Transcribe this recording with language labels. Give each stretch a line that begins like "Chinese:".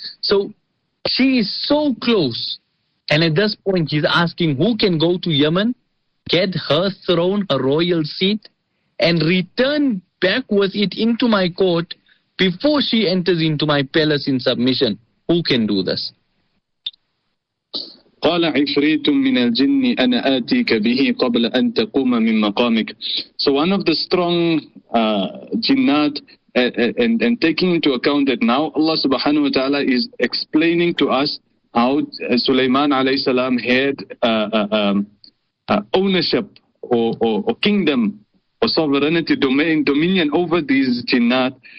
English: So she is so close, and at this point he's asking, who can go to Yemen, get her throne, a royal seat, and return back with it into my court before she enters into my palace in submission? Who can do this?
Arabic: قال عفريت من الجن أنا آتيك به قبل أن تقوم من مقامك.
English: So one of the strong jinnat, and taking into account that now Allah subhanahu wa ta'ala is explaining to us how Sulaiman alayhi salam had ownership or kingdom or sovereignty, dominion over these jinnat.